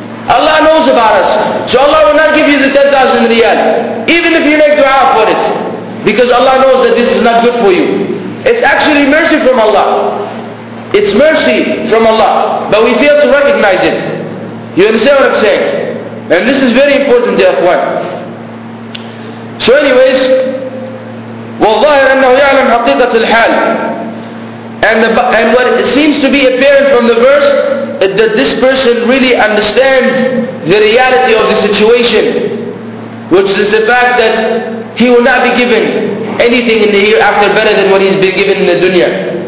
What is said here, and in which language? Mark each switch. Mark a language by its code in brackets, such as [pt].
[en] Allah knows about us. So Allah will not give you the 10,000 riyal. Even if you make dua for it. Because Allah knows that this is not good for you. It's actually mercy from Allah. It's mercy from Allah. But we fail to recognize it. You understand what I'm saying? And this is very important, dear one. So anyways, [ar] وَالظَّاهِرْ أَنَّهُ يَعْلَمْ حَقِيقَةِ الْحَالِ. [en] And what it seems to be apparent from the verse, is that this person really understands the reality of the situation, which is the fact that he will not be given anything in the hereafter better than what he's been given in the dunya.